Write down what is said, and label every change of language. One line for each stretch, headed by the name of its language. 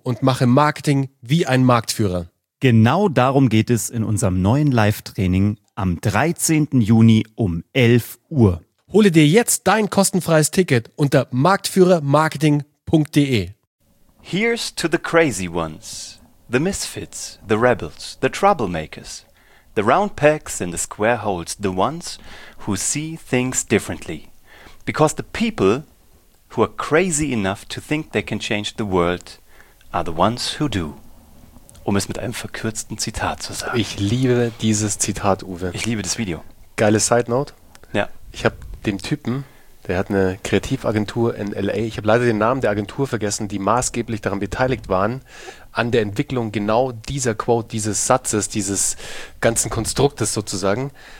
German: und mache Marketing wie ein Marktführer. Genau darum geht es in unserem neuen Live-Training am 13. Juni um 11 Uhr. Hole dir jetzt dein kostenfreies Ticket unter marktführermarketing.de.
English: Here's to the crazy ones. The misfits, the rebels, the troublemakers. The round pegs in the square holes, the ones who see things differently. Because the people who are crazy enough to think they can change the world are the ones who do.
German: Um es mit einem verkürzten Zitat zu sagen. Ich liebe dieses Zitat, Uwe. Ich liebe das Video. Geile Side Note. Ja. Ich habe dem Typen, der hat eine Kreativagentur in LA, ich habe leider den Namen der Agentur vergessen, die maßgeblich daran beteiligt waren, an der Entwicklung genau dieser Quote, dieses Satzes, dieses ganzen Konstruktes sozusagen.